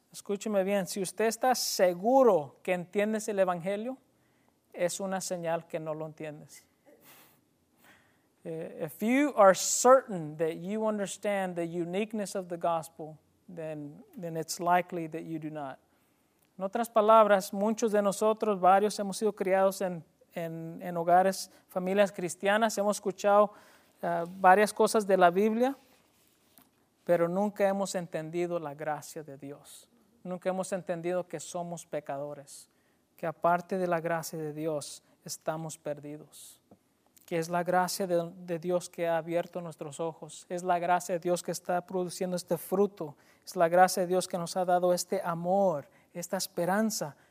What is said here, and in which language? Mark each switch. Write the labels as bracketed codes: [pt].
[es] Escúcheme bien, si usted está seguro que entiendes el evangelio, es una señal que no lo entiendes. [en] If you are certain that you understand the uniqueness of the gospel, then it's likely that you do not. [es] En otras palabras, muchos de nosotros, varios, hemos sido criados en hogares, familias cristianas, hemos escuchado varias cosas de la Biblia, pero nunca hemos entendido la gracia de Dios. Nunca hemos entendido que somos pecadores, que aparte de la gracia de Dios estamos perdidos, que es la gracia de Dios que ha abierto nuestros ojos, es la gracia de Dios que está produciendo este fruto, es la gracia de Dios que nos ha dado este amor, esta esperanza.